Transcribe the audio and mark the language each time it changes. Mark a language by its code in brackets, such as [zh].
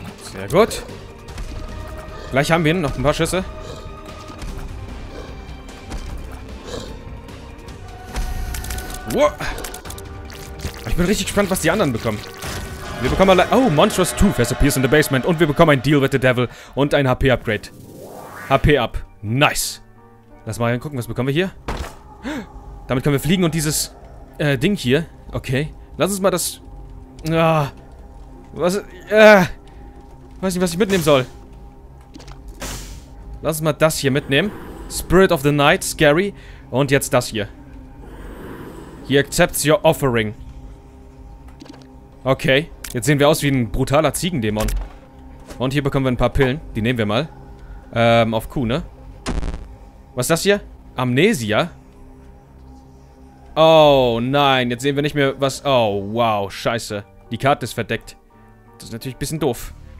[de] Sehr gut. Gleich haben wir ihn. Noch ein paar Schüsse. Whoa. Ich bin richtig gespannt, was die anderen bekommen. Wir bekommen [en] oh, Monstrous Tooth has appears in the basement. [de] Und wir bekommen ein Deal with the Devil und ein HP-Upgrade. HP up. Nice. Lass mal gucken, was bekommen wir hier? Damit können wir fliegen und dieses Ding hier. Okay. Lass uns mal das... Ah, was... weiß nicht, was ich mitnehmen soll. Lass uns mal das hier mitnehmen. Spirit of the Night, scary. Und jetzt das hier. [en] He accepts your offering. [de] Okay. Jetzt sehen wir aus wie ein brutaler Ziegendämon. Und hier bekommen wir ein paar Pillen. Die nehmen wir mal. Auf Q, ne? Was ist das hier? Amnesia? Oh, nein. Jetzt sehen wir nicht mehr was... Oh, wow. Scheiße. Die Karte ist verdeckt. Das ist natürlich ein bisschen doof.